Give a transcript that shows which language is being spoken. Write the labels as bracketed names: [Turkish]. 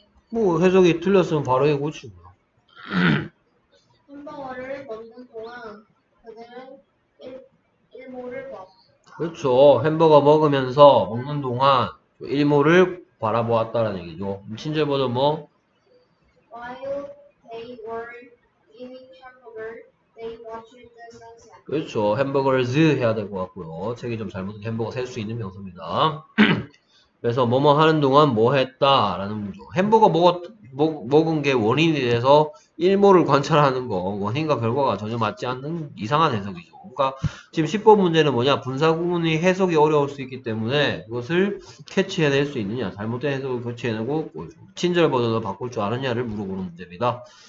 [Korean] 뭐 해석이 틀렸으면 바로 해 고치고. 햄버거를 먹는 동안 그들은 일몰을 봤다. 그렇죠. 햄버거 먹으면서 먹는 동안 일몰을 바라보았다는 얘기죠. 친절보다 뭐? [English] While they were eating hamburger, they watched the sunset. [Korean] 그렇죠. 햄버거를 해야 될 것 같고요. 책이 좀 잘못된 햄버거 셀 수 있는 명소입니다. 그래서 뭐뭐 하는 동안 뭐 했다라는 거죠. 햄버거 먹은 게 원인이 돼서 일몰을 관찰하는 거, 원인과 결과가 전혀 맞지 않는 이상한 해석이죠. 그러니까 지금 10번 문제는 뭐냐, 분사 구문이 해석이 어려울 수 있기 때문에 그것을 캐치해낼 수 있느냐, 잘못된 해석을 캐치해내고 친절 버전으로 바꿀 줄 아느냐를 물어보는 문제입니다.